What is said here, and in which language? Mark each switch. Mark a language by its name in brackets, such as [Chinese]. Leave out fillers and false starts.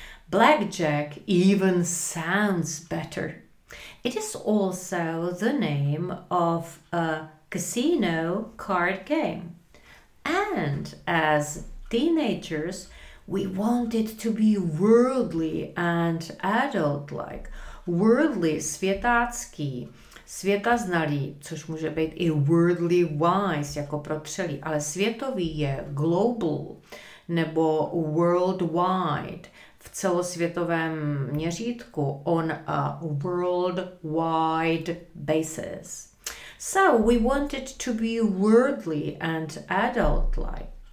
[English] Blackjack even sounds better. It is also the name of a casino card game. And as teenagers, we wanted to be worldly and adult-like. [Czech] Worldly, světácký, světaznalý, což může být i [English] worldly wise, [Czech] jako protřelý, ale světový je global nebo worldwide v celosvětovém měřítku [English] on a worldwide basis. So we wanted to be worldly and adult-like.